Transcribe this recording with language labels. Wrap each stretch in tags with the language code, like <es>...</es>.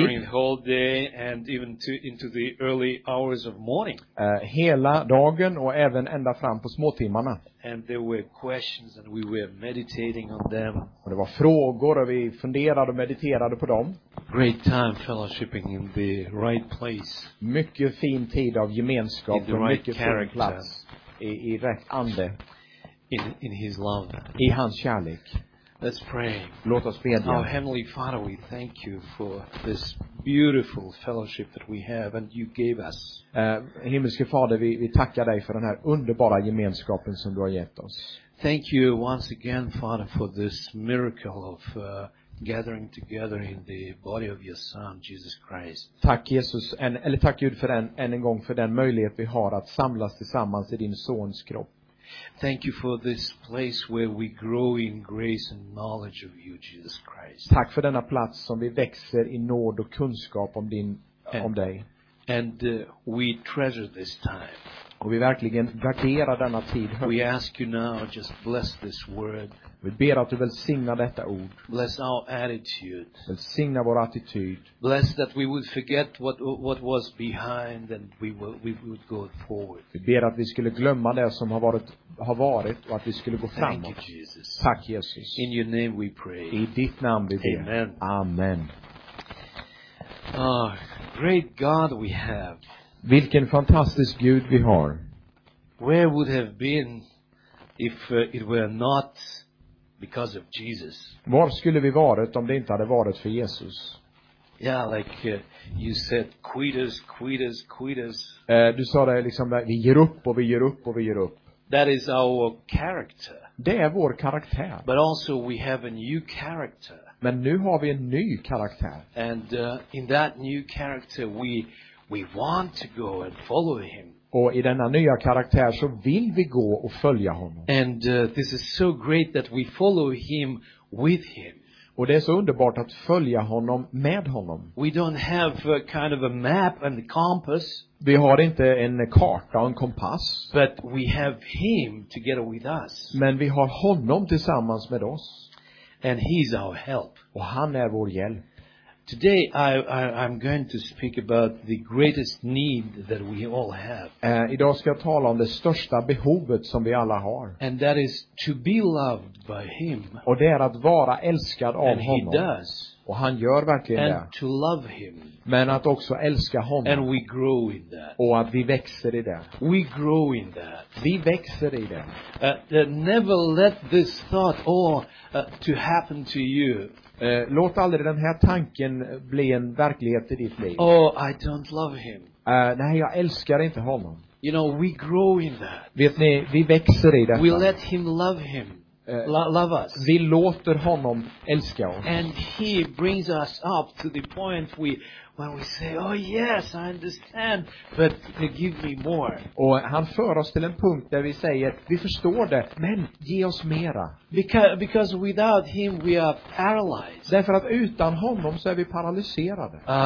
<en>During the whole day and even into the early hours of morning.</en> <sv>Hela dagen och även ända fram på småtimmarna.</sv> <en>And there were questions and we were meditating on them.</en> <sv>Och det var frågor och vi funderade och mediterade på dem.</sv> <en>Great time fellowshipping in the right place.</en> <sv>Mycket fin tid av gemenskap och mycket fin plats i rätt ande.</sv> <en>In his love.</en> <sv>I hans kärlek.</sv> <en>Let's pray.</en> <sv>Låt oss be.</sv> <en>Our heavenly Father, we thank you for this beautiful fellowship that we have and you gave us.</en> <sv>Himmelske Fader, vi tackar dig för den här underbara gemenskapen som du har gett oss.</sv> <en>Thank you once again, Father, for this miracle of gathering together in the body of your son Jesus Christ.</en> <sv>Tack Jesus, eller tack Gud för en gång för den möjlighet vi har att samlas tillsammans i din sons kropp.</sv> <en>Thank you for this place where we grow in grace and knowledge of you, Jesus Christ.</en> <sv>Tack för denna plats som vi växer i nåd och kunskap om din om dig.</sv> <en>And we treasure this time.</en> <sv>Och vi verkligen värderar denna tid.</sv> <en>We ask you now just bless this word.</en> <sv>Vi ber att du välsignar detta ord.</sv> <en>Bless our attitude.</en> <sv>Välsigna vår attityd.</sv> <en>Bless that we would forget what was behind and we would go forward.</en> <sv>Vi ber att vi skulle glömma det som har varit och att vi skulle gå framåt.</sv> <en>Thank you, Jesus.</en> <sv>Tack Jesus.</sv> <en>In your name we pray.</en> <sv>I ditt namn vi ber.</sv> <en>Amen.</en> <sv>Amen.</sv> <en>Oh, great God we have.</en> <sv>Vilken fantastisk Gud vi har.</sv> <en>Where would have been if it were not because of Jesus?</en> <sv>Var skulle vi varit om det inte hade varit för Jesus?</sv> <en>Yeah, like you said, quitters, quitters, quitters.</en> <sv>Du sa det liksom där, vi ger upp och vi ger upp och vi ger upp.</sv> <en>That is our character.</en> <sv>Det är vår karaktär.</sv> <en>But also we have a new character.</en> <sv>Men nu har vi en ny karaktär.</sv> <en>And in that new character we want to go and follow him.</en> <sv>Och i denna nya karaktär så vill vi gå och följa honom.</sv> <en>And this is so great that we follow him with him.</en> <sv>Och det är så underbart att följa honom med honom.</sv> <en>We don't have a kind of a map and a compass.</en> <sv>Vi har inte en karta och en kompass.</sv> <en>But we have him together with us.</en> <sv>Men vi har honom tillsammans med oss.</sv> <en>And he's our help.</en> <sv>Och han är vår hjälp.</sv> <en>Today I'm going to speak about the greatest need that we all have.</en> <sv>Idag ska jag tala om det största behovet som vi alla har.</sv> <en>And that is to be loved by him.</en> <sv>Och det är att vara älskad av</sv> <en>and</en> <sv>honom.</sv> <en>He does.</en> <sv>Och han gör verkligen</sv> <en>and</en> <sv>det.</sv> <en>And to love him.</en> <sv>Men att också älska honom.</sv> <en>And we grow in that.</en> <sv>Och att vi växer i det.</sv> <en>We grow in that.</en> <sv>Vi växer i det.</sv> <en>Never let this thought or to happen to you.</en> <sv>Låt aldrig den här tanken bli en verklighet i ditt liv.</sv> <en>Oh, I don't love him.</en> <sv>Nej, jag älskar inte honom.</sv> <en>You know, we grow in that.</en> <sv>Vet ni, vi växer i detta.</sv> <en>We let him love him. Love us.</en> <sv>Vi låter honom älska oss.</sv> <en>And he brings us up to the point when we say, oh yes, I understand, but give me more.</en> <sv>Och han för oss till en punkt där vi säger, vi förstår det, men ge oss mera.</sv> <en>Because without him we are paralyzed.</en> <sv>Därför att utan honom så är vi paralyserade.</sv>